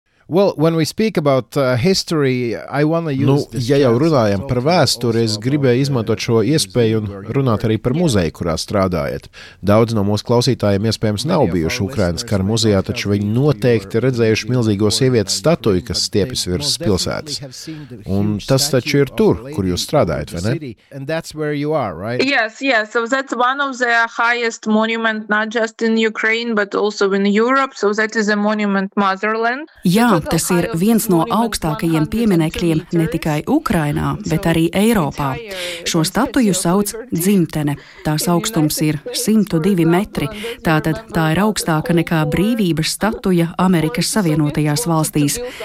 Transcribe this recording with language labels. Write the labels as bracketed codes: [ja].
[en] Well, when we speak about history, I want to use [lv] ja jau runājam par vēsturi, es gribēju izmantot šo iespēju un runāt arī par muzeju, kurā strādājat. Daudz no mūsu klausītājiem iespējams nav bijuši Ukrainas kara muzejā, taču viņi noteikti redzējuši milzīgo sievietes statuju, kas stiepjas virs pilsētas. Un tas taču ir tur, kur jūs strādājat, vai ne? [en] Yes, so that's one of the highest monument not just in Ukraine, but also in Europe, so that is a monument Motherland. [lv] Jā, tas ir viens no augstākajiem pieminekļiem ne tikai Ukrainā, bet arī Eiropā. Šo statuju sauc dzimtene. Tās augstums ir 102 metri. Tātad tā ir augstāka nekā brīvības statuja Amerikas Savienotajās valstīs.